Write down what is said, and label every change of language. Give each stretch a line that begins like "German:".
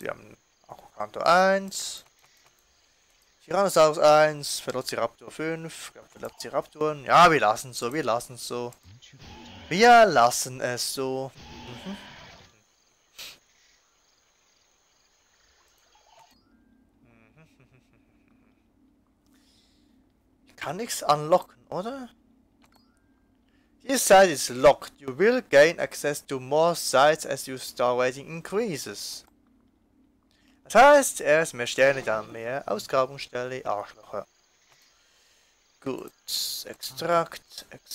German: Wir haben Akkukanto 1. Tyrannosaurus 1, Velociraptor 5, Velociraptoren, ja, wir lassen es so, wir lassen es so. Wir lassen es so. Ich kann nichts unlocken, oder?
English: This site is locked. You will gain access to more sites as your star rating increases.
German: Das heißt, er ist mehr Sterne, dann mehr Ausgrabungsstelle, Arschlöcher. Gut, Extrakt.